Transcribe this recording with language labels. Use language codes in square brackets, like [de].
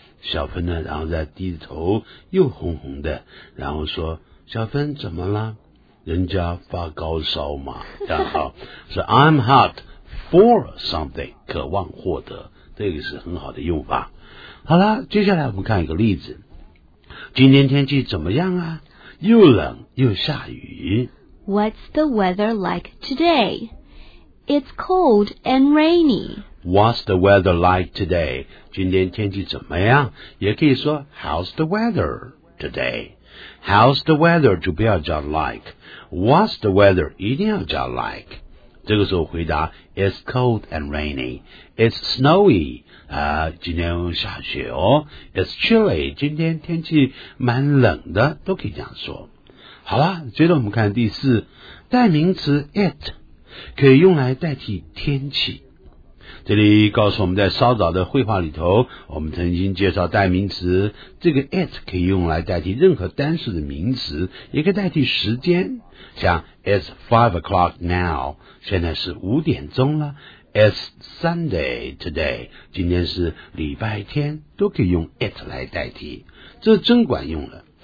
[zh] 小芬呢然后再低头又红红的，然后说，小芬怎么了，人家发高烧嘛，然后说 [en] I'm hot for something, [zh] 渴望获得，这个是很好的用法。好了，接下来我们看一个例子，今天天气怎么样啊，又冷又下雨。 [en] What's the weather like today? It's cold and rainy. What's the weather like today? [zh] 今天天气怎么样？也可以说 [en] How's the weather today? How's the weather [zh] 就不要叫 [en] like. What's the weather [zh] 一定要叫 [en] like. [zh] 这个时候回答 [en] It's cold and rainy. It's snowy. [zh] 今天下雪哦。 [en] It's chilly. [zh] 今天天气蛮冷的，都可以这样说。好啦，接着我们看第四，代名词 it 可以用来代替天气。这里告诉我们，在稍早的绘画里头，我们曾经介绍代名词，这个 it 可以用来代替任何单数的名词，也可以代替时间，像 [en] it's 5 o'clock now, [zh] 现在是五点钟了， [en] it's Sunday today, [zh] 今天是礼拜天，都可以用 it 来代替，这真管用了。